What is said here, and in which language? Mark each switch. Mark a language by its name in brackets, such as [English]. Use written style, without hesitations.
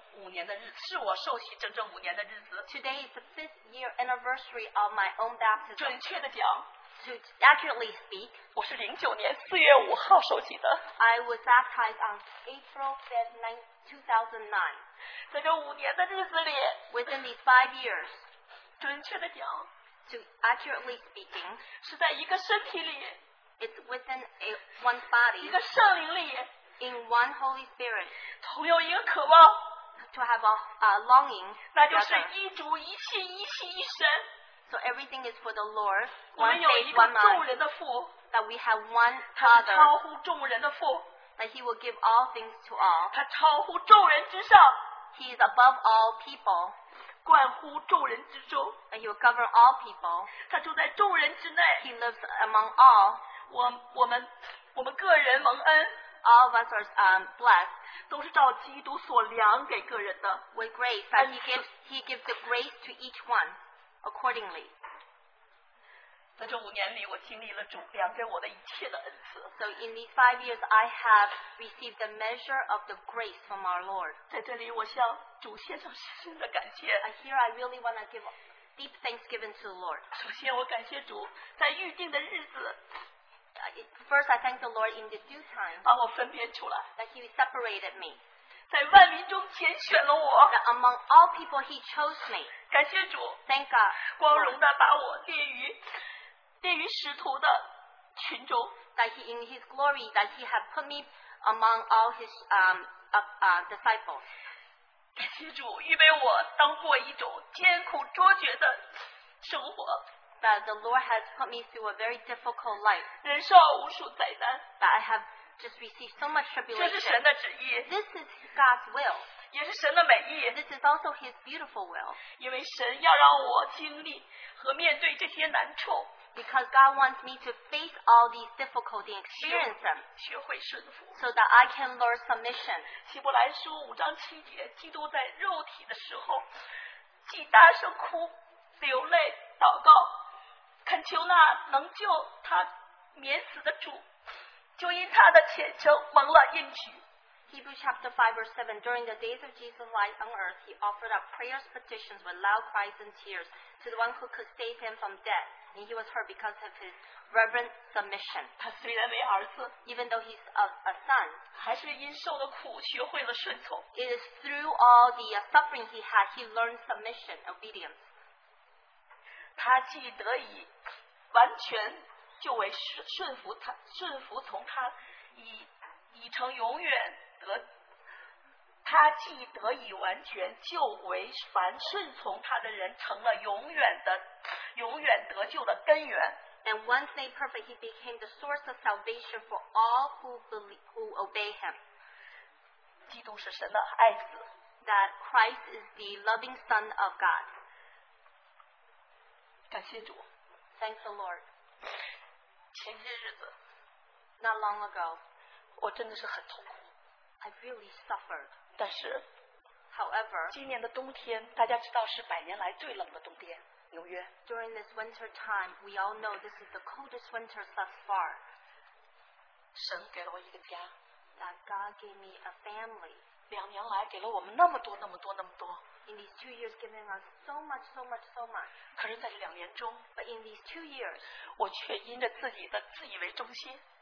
[Chinese] 今年我受洗整整五年的日子, [English] today is the 5th year anniversary of my own baptism. [Chinese] 准确的讲, [English] to accurately speak, [Chinese] 我是09年4月5号受洗的, [English] I was baptized on April 5th, 2009. [Chinese] 在这五年的日子里, [English] within these 5 years, [Chinese] 准确的讲, [English] to accurately speaking, [Chinese] 是在一个身体里, [English] it's within one body, [Chinese] 一个圣灵里, [English] in one Holy Spirit, [Chinese] 同有一个渴望, [English] to have a longing, [Chinese] 那就是一主一气一气一身, [English] so everything is for the Lord, [Chinese] 我们有一个众人的父, [English] that we have one Father, [Chinese] 超乎众人的父, [English] that he will give all things to all. [Chinese] 他超乎众人之上, [English] he is above all people. [Chinese] 关乎众人之中。 [English] And you govern all people. [Chinese] 他住在众人之内。 [English] He lives among all. [Chinese] 我们个人蒙恩。 [English] All of us are blessed. [Chinese] 都是照基督所量给个人的。 [English] With grace, and he gives the grace to each one accordingly. [Chinese] 在这五年里，我经历了主量给我的一切的恩赐。 [English] So in these 5 years, I have received the measure of the grace from our Lord. [Chinese] 在这里，我向主献上深深的感谢。 [English] And here I really want to give deep thanksgiving to the Lord. [Chinese] 首先，我感谢主在预定的日子。 [English] First, I thank the Lord in the due time that He separated me. [Chinese] 在万民中拣选了我。 [English] That among all people, He chose me. [Chinese] 感谢主。 [English] Thank God. [Chinese] 光荣的把我列于使徒的群中。 [English] That He, in His glory, that He had put me among all His disciples. [Chinese] 感谢主，预备我当过一种艰苦卓绝的生活。 [English] That the Lord has put me through a very difficult life. [Chinese] 忍受无数灾难。 [English] That I have just received so much tribulation. [Chinese] 这是神的旨意。 [English] This is God's will. [Chinese] 也是神的美意。 [English] This is also His beautiful will. [Chinese] 因为神要让我经历和面对这些难处。 [English] Because God wants me to face all these difficulties and experience them. [Chinese] 学会顺服。 [English] So that I can learn submission. [Chinese] 希伯来书五章七节，基督在肉体的时候，既大声哭，流泪。祷告，恳求那能救他免死的主，就因他的虔诚蒙了应许。 [English] Hebrews chapter 5 verse 7, during the days of Jesus' life on earth, he offered up prayers, petitions with loud cries and tears to the one who could save him from death, and he was heard because of his reverent submission. [Chinese] 他虽然为儿子, [English] even though he's a son, [Chinese] 还是因受了苦, 学会了顺从。 [English] It is through all the suffering he had, he learned submission, obedience. [Chinese] 他既得以完全就为顺服从他已成永远得他既得以完全就为凡顺从他的人成了永远得救的根源。 [English] And once made perfect, he became the source of salvation for all who obey him. [Chinese] 基督是神的爱子。 [English] That Christ is the loving Son of God. [Chinese] 感谢主。 [English] Thank the Lord. [Chinese] 前些日子 [English] Not long ago, [Chinese] 我真的是很痛苦。 [English] I really suffered. [Chinese] 但是 [English] However, [Chinese] 今年的冬天大家知道是百年来最冷的冬天纽约。 [English] During this winter time, we all know this is the coldest winter thus far. [Chinese] 神给了我一个家。 [English] That God gave me a family. [Chinese] 两年来给了我们那么多那么多那么多。 [English] In these 2 years, giving us so much, so much, so much. [Chinese] 可是在这两年中 [English] But in these 2 years, [Chinese] 我却因着自己的自以为中心